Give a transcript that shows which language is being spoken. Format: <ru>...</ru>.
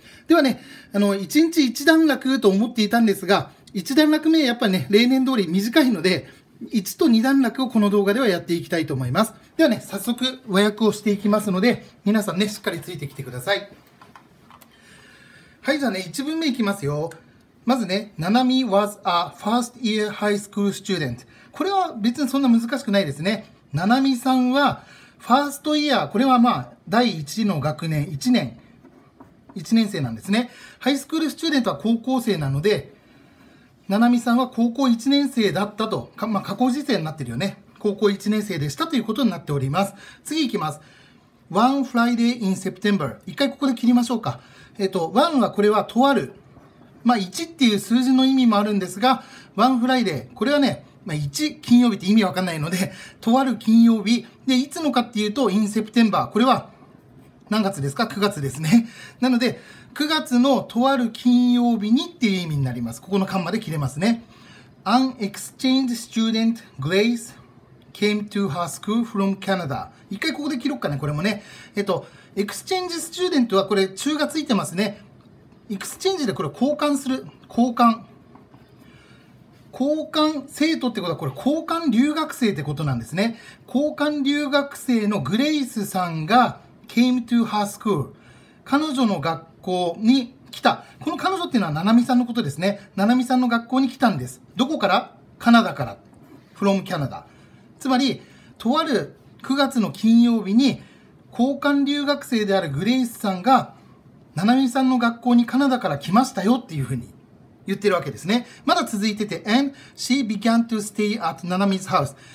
<ja>ではね、1日1段落と思っていたんですが、1段落目やっぱね、例年通り短いので、1と2段落をこの動画ではやっていきたいと思います。ではね、早速和訳をしていきますので、皆さんね、しっかりついてきてください。はい、じゃあね、1文目いきますよ。まずね、</ja> <en>Nanami was a first year high school student。</en> <ja>これは別にそんな難しくないですね。Nanami さんはファーストイヤー、これはまあ第1の学年、1年生なんですね。ハイスクールスチューデントは高校生なので、 Nanami さんは高校1年生だったと、まあ過去時制になってるよね。高校1年生でしたということになっております。次いきます。</ja> <en>One Friday in September。</en> <ja>一回ここで切りましょうか。One はこれはとある、まあ1っていう数字の意味もあるんですが、ワンフライデー、これはね、まあ1、金曜日って意味わかんないので、とある金曜日、で、いつのかっていうと、インセプテンバー、これは何月ですか ?9 月ですね。なので、9月のとある金曜日にっていう意味になります。ここのカンマで切れますね。</ja> <en>An exchange student, Grace, came to her school from Canada.</en> <ja>一回ここで切ろっかね、これもね。exchange student はこれ、中がついてますね。エクスチェンジでこれ交換する、交換生徒ってことは、これ交換留学生ってことなんですね。交換留学生のグレイスさんが</ja> <en>came to her school、</en> <ja>彼女の学校に来た。この彼女っていうのはナナミさんのことですね。ナナミさんの学校に来たんです。どこから？カナダから。</ja> <en>from Canada、</en> <ja>つまりとある9月の金曜日に交換留学生であるグレイスさんがナナミさんの学校にカナダから来ましたよっていうふうに言ってるわけですね。まだ続いてて、</ja> <en>And she began to stay at Nanami's house。</en>